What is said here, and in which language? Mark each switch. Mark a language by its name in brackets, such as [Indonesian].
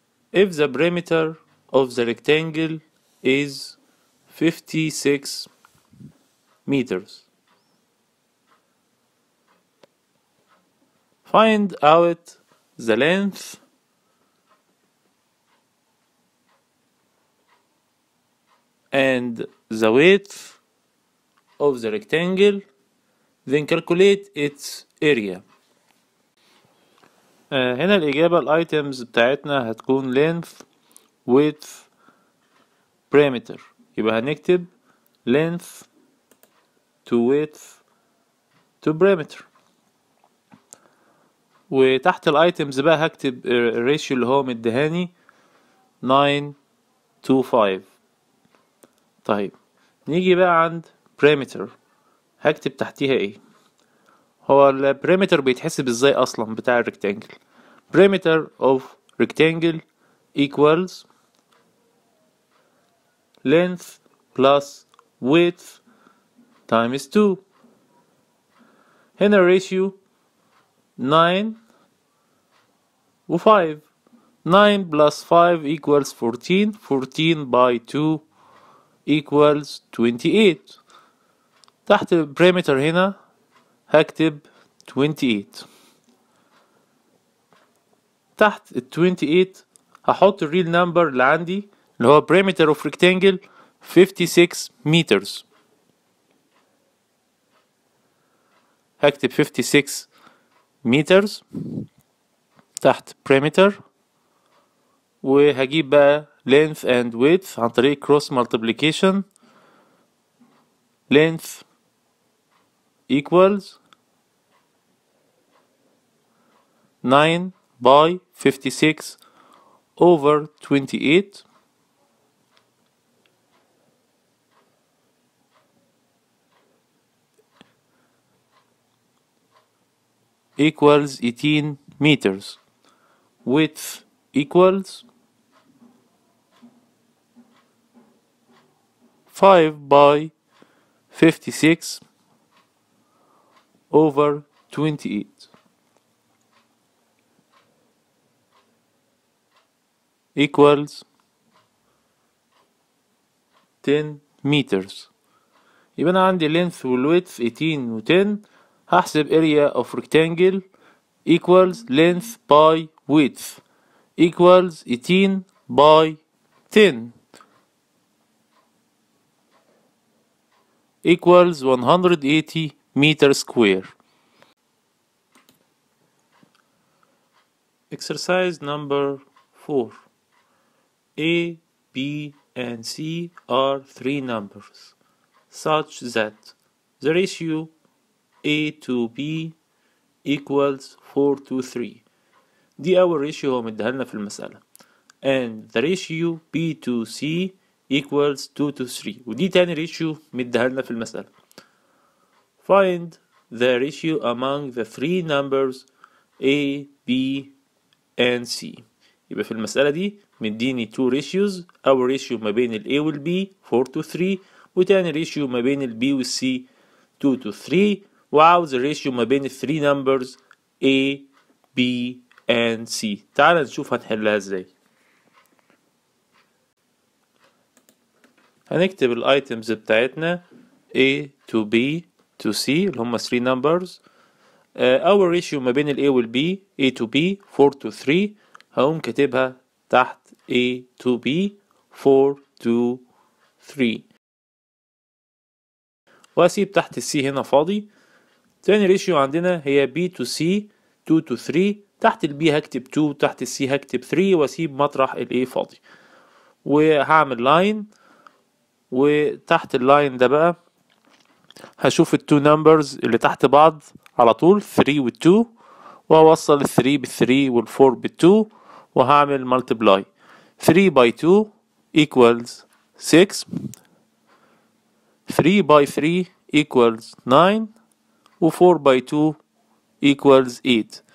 [English] If the perimeter of the rectangle is 56 meters, find out the length and the width of the rectangle, then calculate its area. [Arabic] هنا الإجابة الايتيمز بتاعتنا هتكون length, width, perimeter. يبقى هنكتب length to width to perimeter, وتحت الايتيمز بقى هكتب الراتيو اللي هو مدهاني 9 to 5. طيب نيجي بقى عند perimeter, هكتب تحتيها ايه. هو ال perimeter بيتحسب ازاي اصلا بتاع ال rectangle؟ [English] Perimeter of rectangle equals length plus width times 2. [Arabic] هنا ratio 9 و 5. [English] 9 plus 5 equals 14. 14 by 2 equals 28. [Arabic] تحت perimeter هنا هكتب 28. تحت ال 28 هحط الريل نمبر اللي عندي اللي هو perimeter of rectangle 56 meters. هكتب 56 meters تحت perimeter, وهجيب بقى length and width عن طريق cross multiplication. [English] length equals 9 by 56 over 28 equals 18 meters. Width equals 5 by 56 over 28 equals 10 meters. [Arabic] يبقى انا عندي length والwidth 18 و 10. هحسب [English] area of rectangle equals length by width equals 18 by 10 equals 180 meter square. Exercise number 4. A, B, and C are three numbers such that the ratio A to B equals 4 to 3. [Arabic] دي أول ratio هو مدهلنا في المسألة. [English] And the ratio B to C equals 2 to 3, [Arabic] ودي تاني ratio مدهلنا في المسألة. [English] Find the ratio among the three numbers A, B, and C. [Arabic] يبقى في المسألة دي مديني 2 ratios. أول ratio ما بين الـ A والـ B 4 to 3, وتاني ratio ما بين الـ B والـ C 2 to 3, وعاوز ratio ما بين الـ 3 numbers A, B, and C. تعال نشوف هنحلها ازاي. هنكتب الـ items بتاعتنا A to B to C اللي هم 3 numbers. أول ratio ما بين الـ A والـ B A to B 4 to 3, هقوم كاتبها تحت A to B 4 to 3, واسيب تحت C هنا فاضي. تاني ريشيو عندنا هي بي تو سي 2 تو 3، تحت البي هكتب 2 تحت السي هكتب 3 واسيب مطرح الاي فاضي، وهعمل لاين وتحت اللاين ده بقى هشوف التو نمبرز اللي تحت بعض على طول 3 و2 واوصل ال3 بال3 وال4 بال2 وهعمل ملتبلاي 3 باي 2 ايكوالز 6 3 باي 3 ايكوالز 9 و4 باي 2 ايكوالز 8.